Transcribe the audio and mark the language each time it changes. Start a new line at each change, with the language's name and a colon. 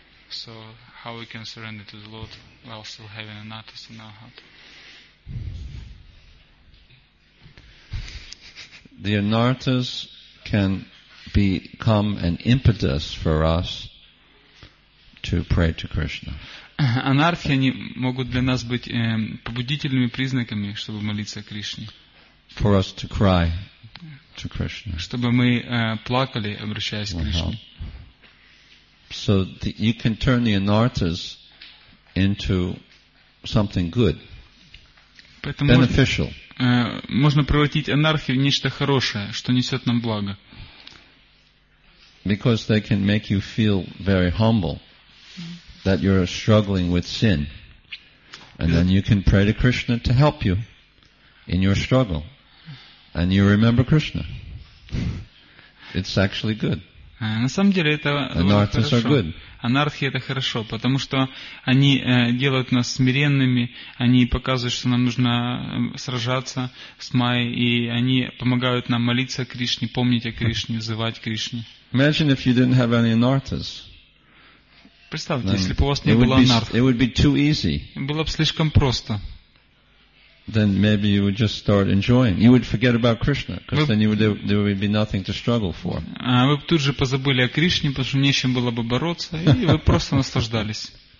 English: So how we can surrender to the Lord while still having an artist in our heart? The anartas can become an impetus for us to pray to Krishna.
Russian: Анартхи, они могут для нас быть побудительными признаками, чтобы молиться Кришне.
English: For us to cry to Krishna.
Russian: Чтобы мы плакали, обращаясь к Кришне.
English: So you can turn the anartas into something good,
Russian: поэтому
English: beneficial.
Russian: Можно превратить анархи в нечто хорошее, что несет нам благо.
English: Because they can make you feel very humble, that you're struggling with sin, and then you can pray to Krishna to help you in your struggle, and you remember Krishna. It's actually good.
Russian: На самом деле это хорошо. Анархия — это хорошо, потому что они делают нас смиренными, они показывают, что нам нужно сражаться с Майей, и они помогают нам молиться о Кришне, помнить о Кришне, взывать Кришне.
English: Imagine if you didn't have any anarthas.
Russian: Представьте, если бы у вас не было анархии.
English: It would be too easy.
Russian: Было бы слишком просто.
English: Then maybe you would just start enjoying. You would forget about Krishna, because then there would be nothing to struggle for.
Russian: А вы бы тут же позабыли о Кришне, потому что не с чем было бы бороться, и вы просто наслаждались.